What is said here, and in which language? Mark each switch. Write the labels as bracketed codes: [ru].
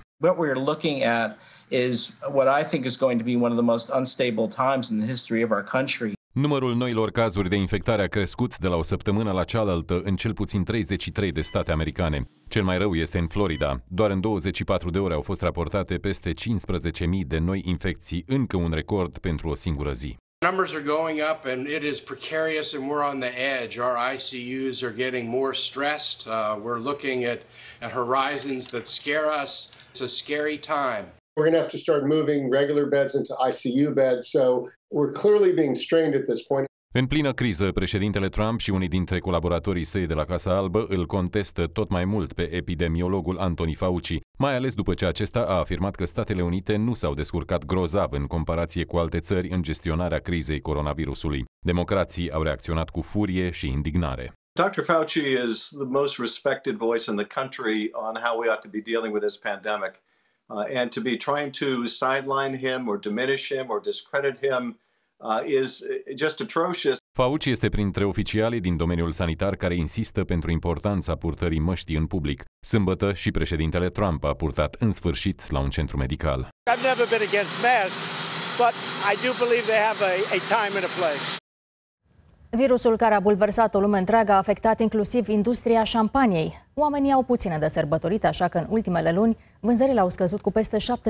[en] What we're looking at is what I think is going to be one of the most unstable times in the history of our country. [ro] Numărul noilor cazuri de infectare a crescut de la o săptămână la cealaltă în cel puțin 33 de state americane. Cel mai rău este în Florida. Doar în 24 de ore au fost raportate peste 15.000 de noi infecții, încă un record pentru o singură zi. [en] Numbers are going up and it is precarious and we're on the edge. Our ICUs are getting more stressed. We're looking at horizons that scare us. It's a scary time. We're going to have to start moving regular beds into ICU beds, so we're clearly being strained at this point. [ro] În plină criză, președintele Trump și unii dintre colaboratorii săi de la Casa Albă îl contestă tot mai mult pe epidemiologul Anthony Fauci, mai ales după ce acesta a afirmat că Statele Unite nu s-au descurcat grozav în comparație cu alte țări în gestionarea crizei coronavirusului. Democrații au reacționat cu furie și indignare. [en] Dr. Fauci is the most respected voice in the country on how we ought to be dealing with this pandemic. And to be trying to sideline him or diminish him or discredit him is just atrocious. [ro] Fauci este printre oficialii din domeniul sanitar care insistă pentru importanța purtării măștii în public. Sâmbătă și președintele Trump a purtat în sfârșit la un centru medical. [en] I've never been against masks, but I do believe they have a time and a place. [ro] Virusul care a bulversat o lume întreagă a afectat inclusiv industria șampaniei. Oamenii au puține de sărbătorit, așa că în ultimele luni vânzările au scăzut cu peste 75%.